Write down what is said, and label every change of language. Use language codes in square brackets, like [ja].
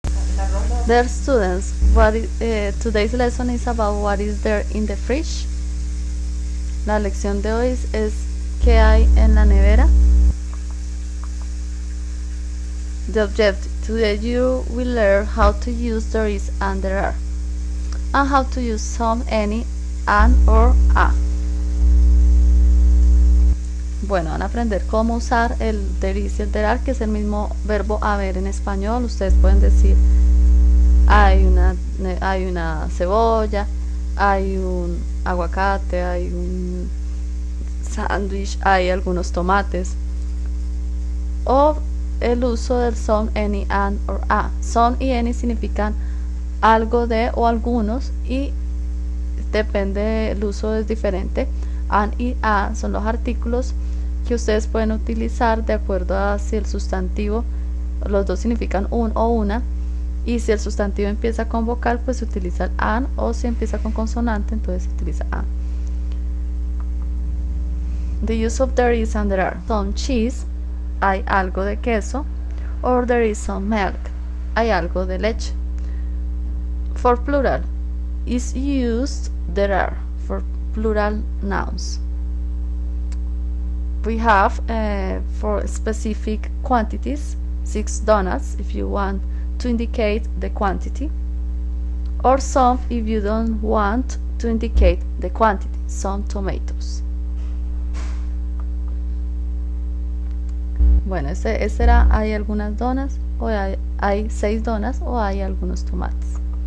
[en] Dear students, what is, today's lesson is about what is there in the fridge. [es] La lección de hoy es ¿qué hay en la nevera? [en] The objective. Today you will learn how to use there is and there are, and how to use some, any, and or a. [es] Bueno, van a aprender cómo usar el there is y el there are, que es el mismo verbo haber en español. Ustedes pueden decir hay una cebolla, hay un aguacate, hay un sándwich, hay algunos tomates. O el uso del some, any, and, or a. Some y any significan algo de o algunos, y depende, el uso es diferente. And y a son los artículos que ustedes pueden utilizar de acuerdo a si el sustantivo, los dos significan un o una. Y si el sustantivo empieza con vocal, pues se utiliza el an, o si empieza con consonante, entonces se utiliza an. [en] The use of there is and there are. Some cheese, [es] hay algo de queso. [en] Or there is some milk, [es] hay algo de leche. [en] For plural, is used there are, for plural nouns. We have for specific quantities, 6 donuts, if you want to indicate the quantity, or some if you don't want to indicate the quantity, some tomatoes. [es] Bueno, ese era hay algunas donas, o hay 6 donas, o hay algunos tomates.